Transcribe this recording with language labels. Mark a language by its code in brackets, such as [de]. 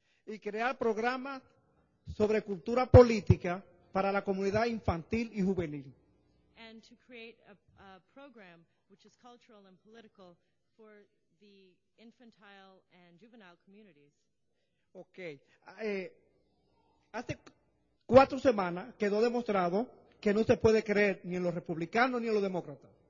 [es] Y crear programas sobre cultura política para la comunidad infantil y juvenil. [en] And to create a program which is cultural and political for the infantile and juvenile communities. Okay. [es] Hace 4 semanas quedó demostrado que no se puede creer ni en los republicanos ni en los demócratas.